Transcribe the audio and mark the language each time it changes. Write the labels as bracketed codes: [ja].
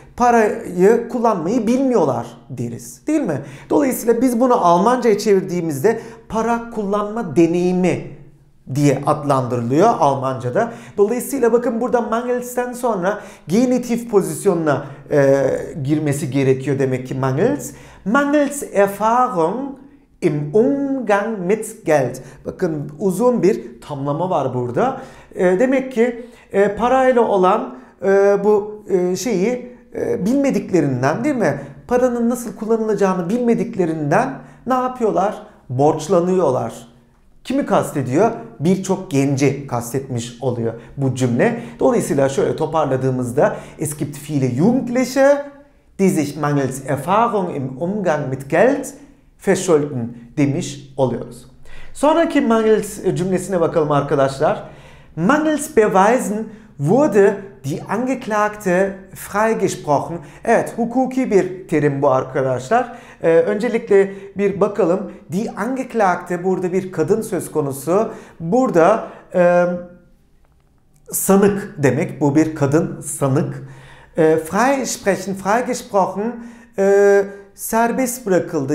[tr] Parayı kullanmayı bilmiyorlar deriz. Değil mi? Dolayısıyla biz bunu Almanca'ya çevirdiğimizde para kullanma deneyimi diye adlandırılıyor Almanca'da. Dolayısıyla bakın burada mangels'ten sonra genitif pozisyonuna girmesi gerekiyor demek ki mangels. [de] Mangels Erfahrung im Umgang mit Geld. [tr] Bakın uzun bir tamlama var burada. Demek ki parayla olan şeyi bilmediklerinden, değil mi? Paranın nasıl kullanılacağını bilmediklerinden ne yapıyorlar? Borçlanıyorlar. Kimi kastediyor? Birçok genci kastetmiş oluyor bu cümle. Dolayısıyla şöyle toparladığımızda [de] es gibt viele Jugendliche, die sich mangels Erfahrung im Umgang mit Geld verschulden [tr] demiş oluyoruz. Sonraki mangels cümlesine bakalım arkadaşlar. [de] Mangels Beweisen wurde die Angeklagte freigesprochen. [tr] Evet, hukuki bir terim bu arkadaşlar. Öncelikle bir bakalım. Die Angeklagte, burada bir kadın söz konusu. Burada sanık demek. Bu bir kadın sanık. Freisprechen, freigesprochen, serbest bırakıldı.